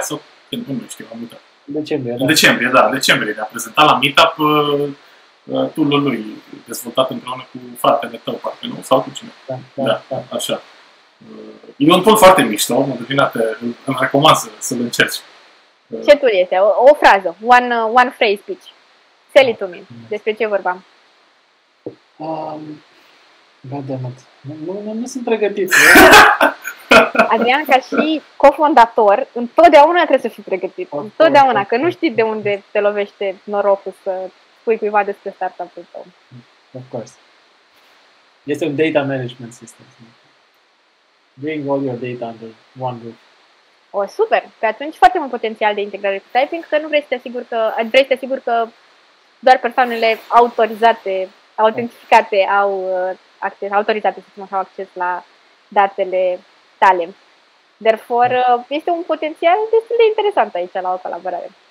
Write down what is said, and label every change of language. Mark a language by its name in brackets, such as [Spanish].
[Romanian] Sau când nu știu, la meetup. În decembrie, ne-a prezentat la meetup tool-ul lui, dezvoltat împreună cu fratele tău, parcă nu, sau cu cine. Da, așa. E un tool foarte mișto, mă devine îmi recomand să-l încerci. Ce tool este? O frază, [English] one phrase speech. Sell it to me. [Romanian] Despre ce vorbam? [English] God damn it. [Romanian] Nu sunt pregătit. Adrian, ca și cofondator, întotdeauna trebuie să fii pregătit. Întotdeauna, că nu știi de unde te lovește norocul să pui cuiva despre startup-ul tău. [English] Of course. [Romanian] Este un data management system. [English] Bring all your data under one roof. [Romanian] O, super! Pe atunci foarte mult potențial de integrare cu Typing, că nu vrei să te asiguri că, vrei să te asiguri că doar persoanele autorizate, autentificate, au acces, autorizate să au acces la datele tale. Therefore, este un potențial destul de interesant aici la o colaborare.